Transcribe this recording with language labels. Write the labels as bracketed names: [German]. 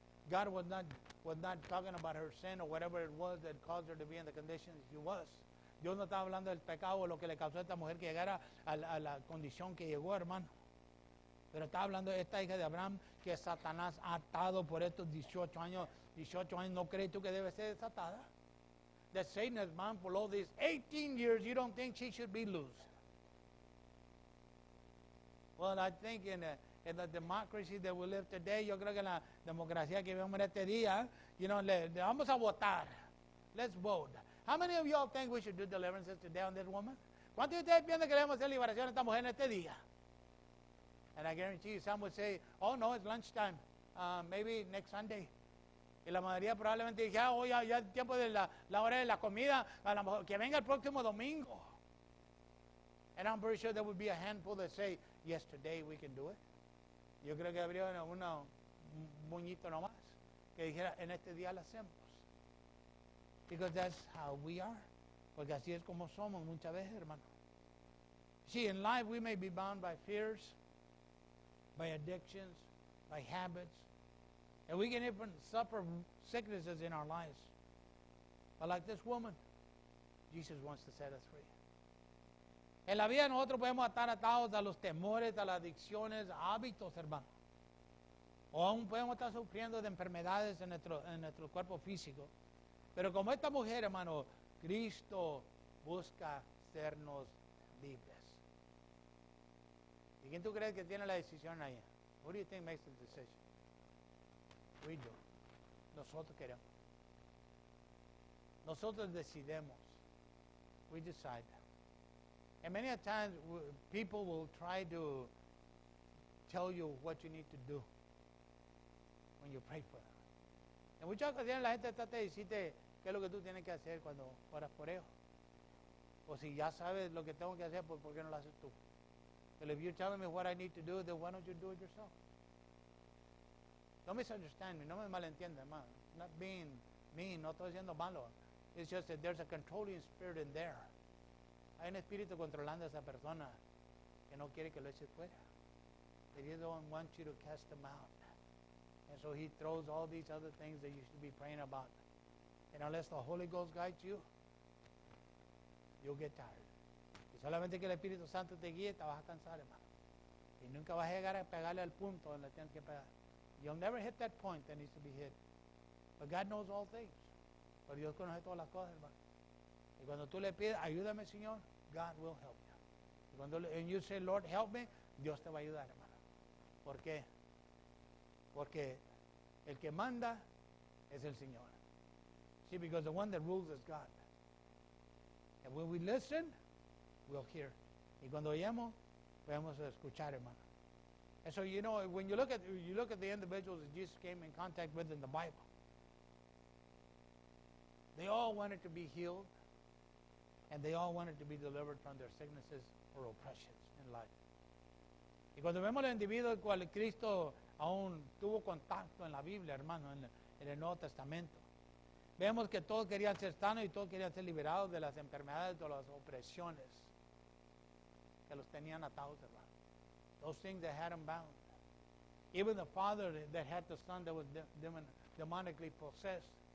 [English] God was not talking about her sin or whatever it was that caused her to be in the condition she was. [Spanish] Dios no estaba hablando del pecado o lo que le causó a esta mujer que llegara a la condición que llegó, hermano. Pero estaba hablando de esta hija de Abraham que Satanás ha atado por estos 18 años. 18 años, ¿no crees tú que debe ser desatada? [English] That Satan has bound for all these 18 years, you don't think she should be loose. Well, I think in the democracy that we live today, [Spanish] yo creo que la democracia que vivimos en este día, [English] you know, [Spanish] le vamos a votar. [English] Let's vote. How many of y'all think we should do deliverances today on this woman? [Spanish] ¿Cuántos de ustedes piensan que debemos hacer liberación a esta mujer en este día? [English] And I guarantee you, some would say, oh no, it's lunchtime. Maybe next Sunday. [Spanish] Y la mayoría probablemente dijera, oh ya, ya es tiempo de la hora de la comida, a la mujer, que venga el próximo domingo. [English] And I'm pretty sure there would be a handful that say, yesterday we can do it. [Spanish] Yo creo que habría un muñito nomás que dijera, en este día lo hacemos. [English] Because that's how we are. [Spanish] Porque así es como somos muchas veces, hermano. [English] See, in life we may be bound by fears, by addictions, by habits, and we can even suffer sicknesses in our lives. But like this woman, Jesus wants to set us free. [Spanish] En la vida nosotros podemos estar atados a los temores, a las adicciones, a hábitos, hermano. O aún podemos estar sufriendo de enfermedades en nuestro cuerpo físico. Pero como esta mujer, hermano, Cristo busca sernos libres. ¿Y quién tú crees que tiene la decisión ahí? [English] Who do you think makes the decision? We do. [Spanish] Nosotros queremos. Nosotros decidimos. [English] We decide. And many a times, people will try to tell you what you need to do when you pray for them. [Spanish] En muchas ocasiones la gente está te dice qué es lo que tú tienes que hacer cuando oras por ellos. O si ya sabes lo que tengo que hacer, pues ¿por qué no lo haces tú? [English] But if you're telling me what I need to do, then why don't you do it yourself? Don't misunderstand me. [Spanish] No me malentiendas, man. [English] Not being mean. [Spanish] No estoy siendo malo. [English] It's just that there's a controlling spirit in there. [Spanish] Hay un espíritu controlando a esa persona que no quiere que lo eche fuera. [English] He doesn't want you to cast them out. And so he throws all these other things that you should be praying about. And unless the Holy Ghost guides you, you'll get tired. [Spanish] Y solamente que el Espíritu Santo te guíe, te vas a cansar, hermano. Y nunca vas a llegar a pegarle al punto donde tienes que pegar. [English] You'll never hit that point that needs to be hit. But God knows all things. [Spanish] Pero Dios conoce todas las cosas, hermano. Y cuando tú le pides, ayúdame, Señor, [English] God will help you. [Spanish] Y cuando [English] and you say, Lord, help me, [Spanish] Dios te va a ayudar, hermano. ¿Por qué? Porque el que manda es el Señor. [English] See, because the one that rules is God. And when we listen, we'll hear. [Spanish] Y cuando oyemos, podemos escuchar, hermano. [English] And so, you know, when you look at the individuals that Jesus came in contact with in the Bible, they all wanted to be healed, and they all wanted to be delivered from their sicknesses or oppressions in life. [Spanish] Y cuando vemos el individuo cual Cristo aún tuvo contacto en la Biblia, hermano, en el Nuevo Testamento, vemos que todos querían ser sanos y todos querían ser liberados de las enfermedades, de las opresiones que los tenían atados, hermano. [English] Those things that had them bound. Even the father that had the son that was demonically possessed.